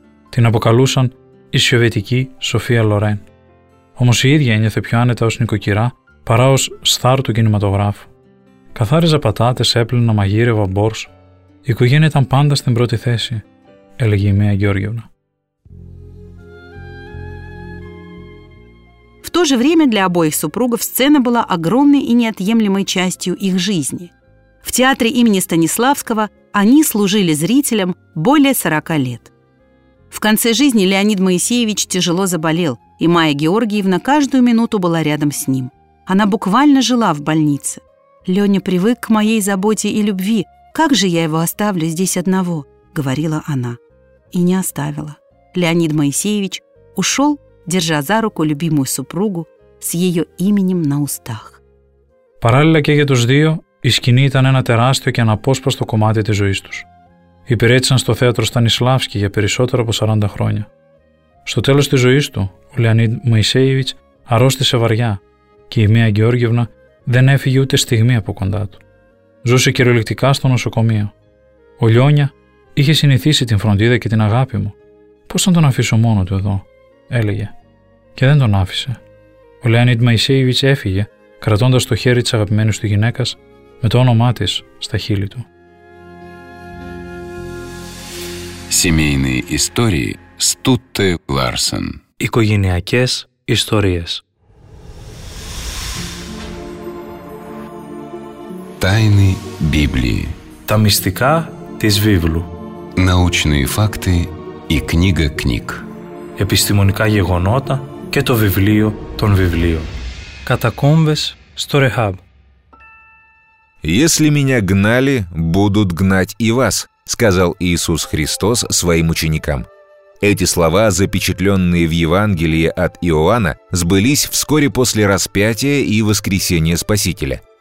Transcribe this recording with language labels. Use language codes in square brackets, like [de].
[el] Την αποκαλούσαν η Σοβιετική Σοφία Λορέν. Όμως η ίδια ένιωθε πιο άνετα ως νοικοκυρά παρά ως στάρ του κινηματογράφου. Καθάριζε πατάτες, έπλαινα, μαγείρευα μπόρς. Η οικογένεια ήταν πάντα στην πρώτη θέση, έλεγε η Μέα Γεώργιεβνα. [ru] В то же время для обоих супругов сцена была огромной и неотъемлемой частью их жизни. В театре имени Станиславского они служили зрителям более 40 лет. В конце жизни Леонид Моисеевич тяжело заболел, и Майя Георгиевна каждую минуту была рядом с ним. Она буквально жила в больнице. «Леня привык к моей заботе и любви. Как же я его оставлю здесь одного?» – говорила она. И не оставила. Леонид Моисеевич ушел, держа за руку любимую супругу с ее именем на устах. [el] Παράλληλα και για τους δύο, η σκηνή ήταν ένα τεράστιο και αναπόσπαστο κομμάτι της ζωής τους. Υπηρέτησαν στο θέατρο Στανισλάβσκι για περισσότερο από 40 χρόνια. Στο τέλος της ζωής του, ο Λεωνίδ Μοησέιβιτς αρρώστησε βαριά και η Μέα Γεώργιεβνα δεν έφυγε ούτε στιγμή από κοντά του. Ζούσε κυριολεκτικά στο νοσοκομείο. Ο Λιόνια είχε συνηθίσει την φροντίδα και την αγάπη μου. Πώς θα τον αφήσω μόνο του εδώ, έλεγε. Και δεν τον άφησε. Ο Λεωνίδ Μοησέιβιτς έφυγε, κρατώντας το χέρι της αγαπημένης του γυναίκας με το όνομά της στα χείλη του. [ru] Семейные истории Стутте Ларсен. [el] Οικογενειακές ιστορίες. [ru] Тайны Библии. [el] Τα μυστικά της Βίβλου. [ru] Научные факты и книга книг. [el] Επιστημονικά γεγονότα και το βιβλίο των βιβλίων. Κατακόμβες στο Ρεχάμπ. [ru] «Если меня гнали, будут гнать и вас», сказал Иисус Христос своим ученикам. Эти слова, запечатленные в Евангелии от Иоанна, сбылись вскоре после распятия и воскресения Спасителя.